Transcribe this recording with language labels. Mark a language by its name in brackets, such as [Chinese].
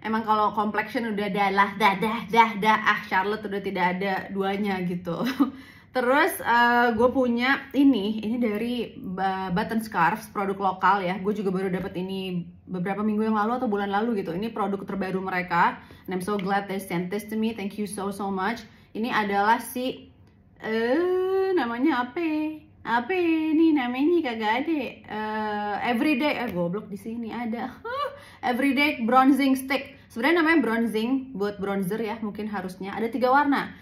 [Indonesian] Emang kalau complexion udah dalah, dah, Charlotte udah tidak ada duanya gitu. Terus gue punya ini dari Button Scarves, produk lokal ya. Gue juga baru dapat ini beberapa minggu yang lalu atau bulan lalu gitu. Ini produk terbaru mereka, [English] and I'm so glad they sent this to me, thank you so much. [Indonesian] Ini adalah si, namanya apa? Apa ini namanya, kagak ada. Everyday, goblok di sini ada. Everyday Bronzing Stick. Sebenarnya namanya bronzing buat bronzer ya, mungkin harusnya ada 3 warna.